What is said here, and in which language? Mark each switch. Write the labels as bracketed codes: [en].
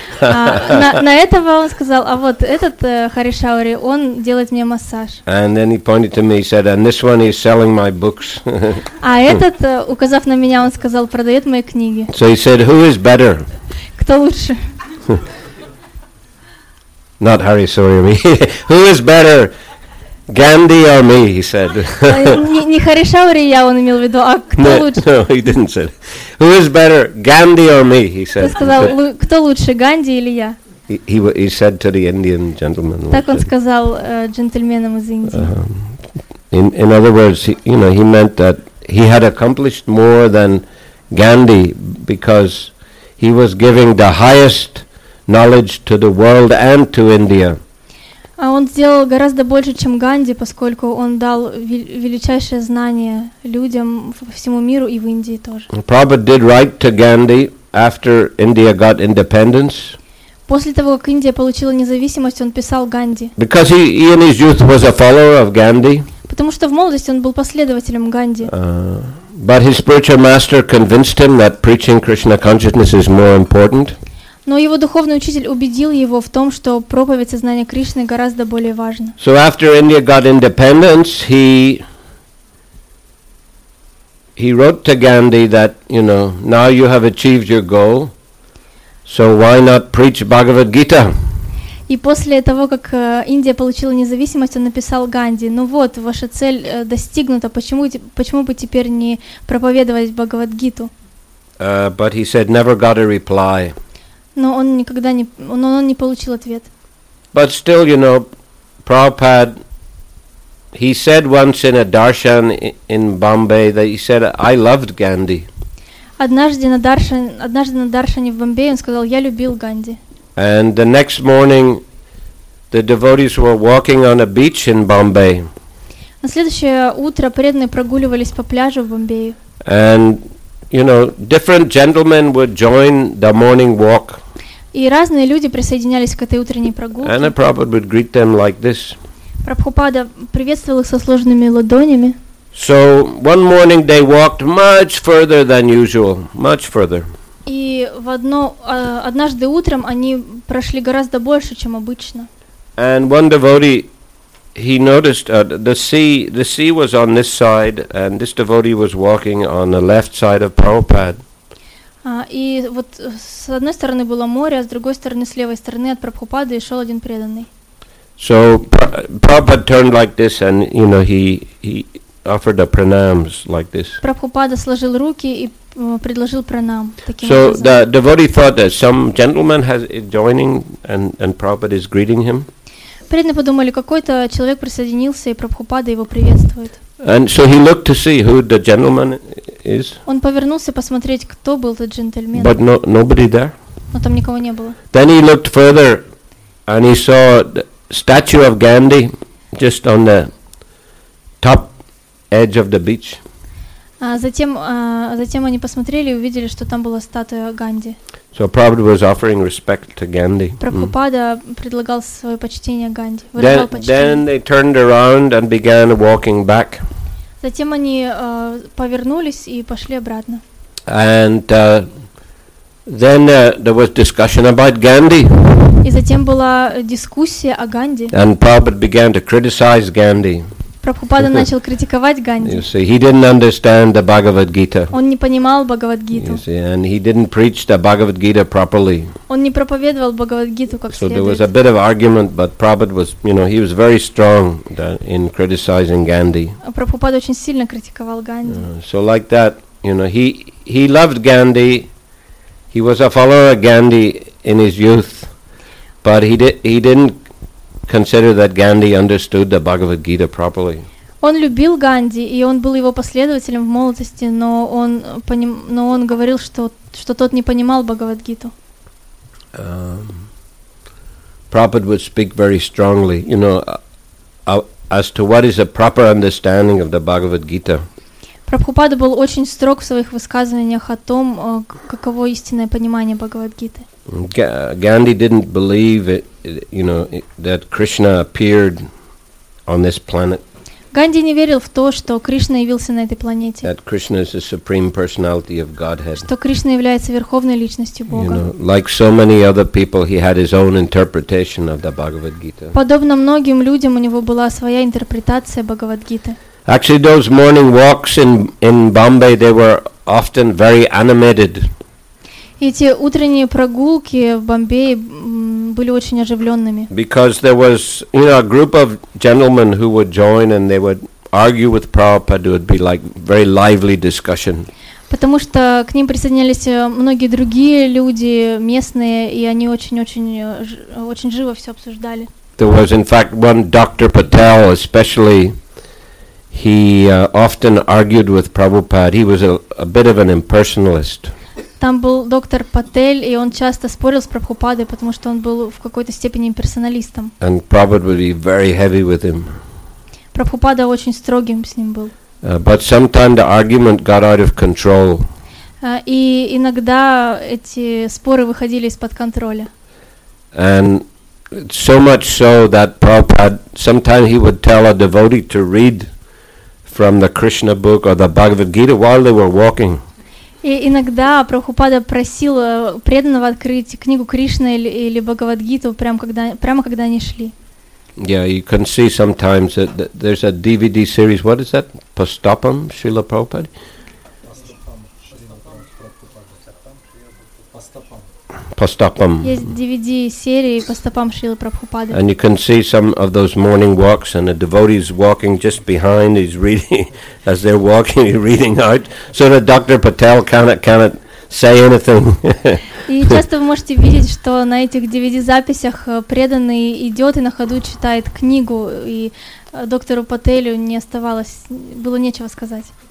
[ru] На этого он сказал, а вот этот Хари Шаури, он делает мне массаж. [en] And then he pointed to me, he said, and this one is selling my books. [ru] А этот, указав на меня, он сказал, продает мои книги. [en] So he said, who is better? [ru] Кто лучше? [en] Not Hari Suri, me. Who is better, Gandhi or me? He said. [ru] Не Хари Шаури я он имел в виду, а кто лучше? [en] No, he didn't say. Who is better, Gandhi or me? He said. [ru] Ты сказал, кто лучше, Ганди или я? [en] He said to the Indian gentleman. [ru] Так он сказал джентльменам из Индии. [en] In other words, he meant that he had accomplished more than Gandhi because he was giving the highest knowledge to the world and to India. [ru] А он сделал гораздо больше, чем Ганди, поскольку он дал величайшее знание людям по всему миру и в Индии тоже. [en] Prabhupada did write to Gandhi after India got independence. [ru] После того, как Индия получила независимость, он писал Ганди. [en] Because he in his youth was a follower of Gandhi. [ru] Потому что в молодости он был последователем Ганди. [en] But his spiritual master convinced him that preaching Krishna consciousness is more important. [ru] Но его духовный учитель убедил его в том, что проповедь сознания Кришны гораздо более важна. [en] So after India got independence, he wrote to Gandhi that, now you have achieved your goal, so why not preach Bhagavad Gita? [ru] И после того, как Индия получила независимость, он написал Ганди, ваша цель достигнута, почему бы теперь не проповедовать Бхагавад-гиту? [en] But he said, never got a reply. [ru] Но он никогда не, но он не получил ответ. [en] But still, Prabhupada, he said once in a darshan in Bombay that he said, I loved Gandhi. [ru] Однажды на даршане в Бомбее он сказал, я любил Ганди. [en] And the next morning, the devotees were walking on a beach in Bombay. [ru] На следующее утро преданные прогуливались по пляжу в Бомбее. [en] And different gentlemen would join the morning walk. [ru] И разные люди присоединялись к этой утренней прогулке. [en] And Prabhupada would greet them like this. [ru] Прабхупада приветствовал их со сложными ладонями. [en] So one morning they walked much further than usual, much further. [ru] И однажды утром они прошли гораздо больше, чем обычно. [en] And one devotee, he noticed the sea was on this side, and this devotee was walking on the left side of Prabhupada. [ru] И вот с одной стороны было море, а с другой стороны, с левой стороны от Прабхупады шел один преданный. [en] So Prabhupada turned like this, and he offered a pranams like this. [ru] Прабхупада сложил руки и предложил пранам таким [en] so [ru] образом. [en] So the devotee thought that some gentleman has joining, and Prabhupada is greeting him. [ru] Преданные подумали, какой-то человек присоединился и Прабхупада его приветствует. [en] And so he looked to see who the gentleman is. [ru] Он повернулся посмотреть, кто был этот джентльмен. [en] But nobody there. [ru] Но там никого не было. [en] Then he looked further, and he saw the statue of Gandhi just on the top edge of the beach. [ru] Затем они посмотрели и увидели, что там была статуя Ганди. [en] So Prabhupada was offering respect to Gandhi. [ru] Прабхупада предлагал свое почтение Ганди. [en] Then they turned around and began walking back. [ru] Затем они повернулись и пошли обратно. [en] And then there was discussion about Gandhi. [ru] И затем была дискуссия о Ганди. [en] And Prabhupada began to criticize Gandhi. [ru] Прабхупада начал критиковать Ганди. [en] You see, he didn't understand the Bhagavad Gita. [ru] Он не понимал Бхагавад Гиту. [en] You see, and he didn't preach the Bhagavad Gita properly. [ru] Он не проповедовал Бхагавад Гиту как следует. [en] So there was a bit of argument, but Prabhupada was, he was very strong in criticizing Gandhi. [ru] Прабхупада очень сильно критиковал Ганди. [en] So like that, he loved Gandhi. He was a follower of Gandhi in his youth, but he didn't consider that Gandhi understood the Bhagavad Gita properly. [ru] Он любил Ганди, и он был его последователем в молодости, но он говорил, что тот не понимал Бхагавад Гиту. [en] Prabhupada would speak very strongly, as to what is a proper understanding of the Bhagavad Gita. [ru] Прабхупада был очень строг в своих высказываниях о том, каково истинное понимание Бхагавад-гиты. [en] Ганди didn't believe it, you know, that Krishna appeared on this planet. [ru] Ганди не верил в то, что Кришна явился на этой планете. [en] That Krishna is the supreme personality of Godhead. [ru] Что Кришна является верховной личностью Бога. [en] You know, like so many other people, he had his own interpretation of the Bhagavad Gita. [ru] Подобно многим людям, у него была своя интерпретация Бхагавад-гиты. [en] Actually, those morning walks in Bombay, they were often very animated. [ru] Эти утренние прогулки в Бомбее были очень оживленными. [en] Because there was, you know, a group of gentlemen who would join and they would argue with Prabhupada. It would be like very lively discussion. [ru] Потому что к ним присоединялись многие другие люди местные, и они очень живо все обсуждали. [en] There was, in fact, one Dr. Patel, especially. He often argued with Prabhupada. He was a bit of an impersonalist. [ru] Там был доктор Патель, и он часто спорил с Прабхупадой, потому что он был в какой-то степени имперсоналистом. [en] And Prabhupada would be very heavy with him. [ru] Прабхупада очень строгим с ним был. [en] But sometimes the argument got out of control. [ru] И иногда эти споры выходили из-под контроля. [en] And so much so that Prabhupada, sometimes he would tell a devotee to read from the Krishna book or the Bhagavad Gita while they were walking. [ru] И иногда Прабхупада просил преданного открыть книгу Кришны или Бхагавад-гиту прямо когда они шли. [en] Yeah, you can see sometimes that there's a DVD series. What is that? Pastapam Srila Prabhupada? Pastapam. [ru] Есть DVD-серии Pastapam Srila Prabhupada. [en] And you can see some of those morning walks, and the devotee's walking just behind, he's reading, as they're walking, he's reading out, so that Dr. Patel cannot say anything. [ru] И часто вы можете видеть, что на этих DVD-записях преданный идет и на ходу читает книгу, и доктору Пателю не оставалось, было нечего сказать.